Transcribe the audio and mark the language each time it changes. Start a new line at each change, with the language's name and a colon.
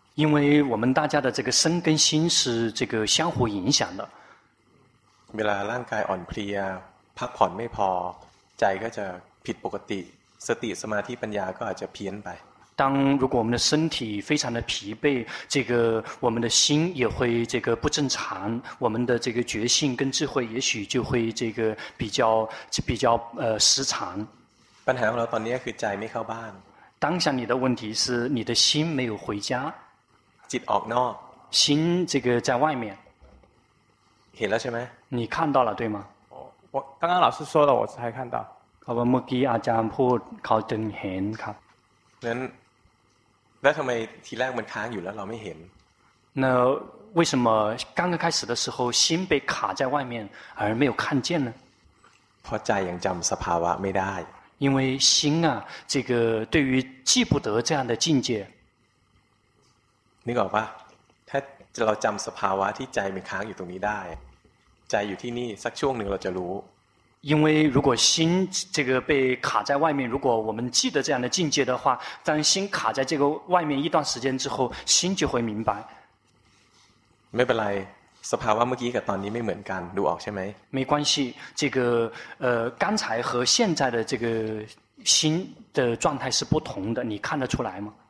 Chinese: 因为我们大家的这个身跟心是这个相互影响的
Thai: เวลาร่างกายอ่อนเพลียพักผ่อนไม่พอใจก็จะผิดปกติสติสมาธิปัญญาก็อาจจะเพี้ยนไป
Chinese: 如果我们的身体非常的疲惫，这个我们的心也会这个不正常，我们的这个觉性跟智慧也许就会这个比较失常。
Thai: ปัญหาของเราตอนนี้คือใจไม่เข้าบ้าน。
Chinese: 当下你的问题是你的心没有回家。
Thai: จิตออกนอก。
Chinese: 心这个在外面。
Thai: เห็นแล้วใช่ไหม？
Chinese: 你看到了对吗？我刚刚老师说了，我才看到。
Thai: เขาบอกเมื่อกี้อาจารย์พูดเขาจึงเห็นครับ แล้วทำไมทีแรกมันค้างอยู่แล้วเราไม่เห็น
Chinese: 那为什么刚刚开始的时候心被卡在外面而没有看见呢？
Thai: เพราะใจยังจำสภาวะไม่ได้
Chinese: 因为心啊这个对于记不得这样的境界
Thai: นึกออกป่ะถ้าเราจำสภาวะที่ใจมันค้างอยู่ตรงนี้ได้ใจอยู่ที่นี่สักช่วงหนึ่งเราจะรู้
Chinese: 因为如果心这个被卡在外面，如果我们记得这样的境界的话，当心卡在这个外面一段时间之后，心就会明白。
Thai: ไม่เป็นไร，สภาวะเมื่อกี้กับตอนนี้ไม่เหมือนกัน，รู้ออกใช่ไหม？
Chinese: 没关系，这个刚才和现在的这个心的状态是不同的，你看得出来吗？